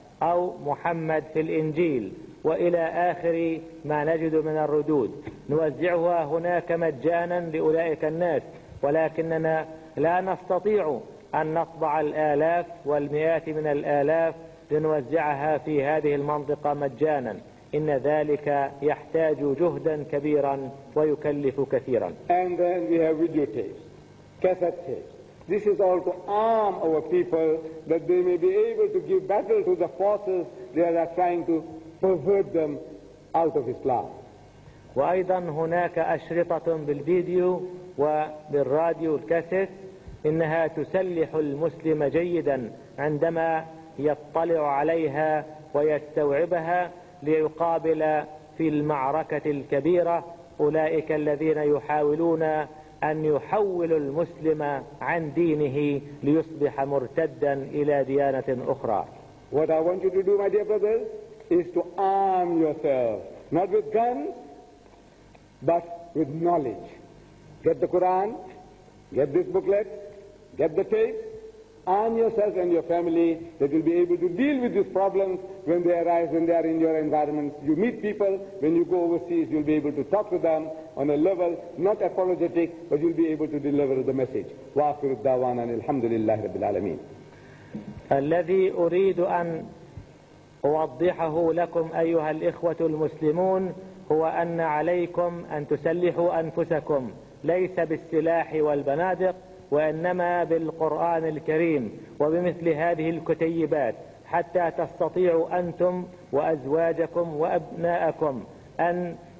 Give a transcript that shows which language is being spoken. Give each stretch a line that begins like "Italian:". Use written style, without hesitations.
Arabic: أو محمد في الإنجيل وإلى آخر ما نجد من الردود، نوزعها هناك مجانا لأولئك الناس، ولكننا لا نستطيع أن نطبع الآلاف والمئات من الآلاف لنوزعها في هذه المنطقة مجانا، إن ذلك يحتاج جهدا كبيرا ويكلف كثيرا.
English: And then we have video tapes, cassette tapes. This is all to arm our people that they may be able to give battle to the forces that are trying to pervert them out of Islam. وأيضا هناك أشرطة بالفيديو وبالراديو الكاسيت، إنها تسلح المسلم جيدا عندما يطلع عليها ويستوعبها ليقابل في المعركة الكبيرة أولئك الذين يحاولون أن يحول المسلم عن دينه ليصبح مرتدا إلى ديانة أخرى. What I want you to do, my dear brothers, is to arm yourself, not with guns, but with knowledge. Get the Quran, get this booklet, get the tape, arm yourself and your family that you'll be able to deal with these problems when they arise, when they are in your environment. You meet people, when you go overseas, you'll be able to talk to them on a level, not apologetic, but you'll be able to deliver the message.
Arabic: وَآخِرُ الدَّوَانَا الْحَمْدُ لِلَّهِ رَبِّ الْعَالَمِينَ. الذي أريد أن أوضحه لكم أيها الإخوة المسلمون هو أن عليكم أن تسلحوا أنفسكم ليس بالسلاح والبنادق وإنما بالقرآن الكريم وبمثل هذه الكتيبات، حتى تستطيعوا أنتم وأزواجكم وأبناءكم أن